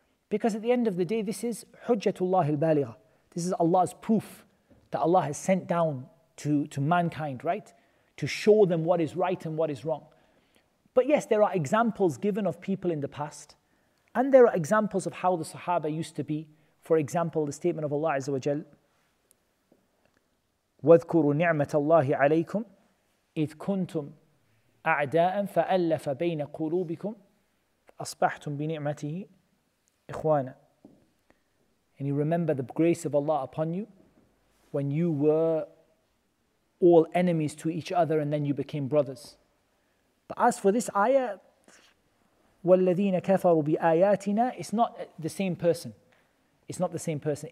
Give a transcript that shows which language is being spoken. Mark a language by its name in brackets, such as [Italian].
[English] Because at the end of the day, this is [Arabic] حُجَّةُ اللَّهِ. [English] This is Allah's proof that Allah has sent down to mankind, right? To show them what is right and what is wrong. But yes, there are examples given of people in the past, and there are examples of how the Sahaba used to be. For example, the statement of Allah Azza wa Jal, [Arabic] وَذْكُرُوا نِعْمَةَ اللَّهِ عَلَيْكُمْ إِذْ كُنْتُمْ أَعْدَاءً فَأَلَّفَ بَيْنَ قُلُوبِكُمْ فَأَصْبَحْتُمْ بِنِعْمَتِهِ إِخْوَانًا. [English] And you remember the grace of Allah upon you when you were all enemies to each other and then you became brothers. But as for this ayah, [Arabic] وَالَّذِينَ كَفَرُوا بِآيَاتِنَا, [English] it's not the same person. It's not the same person.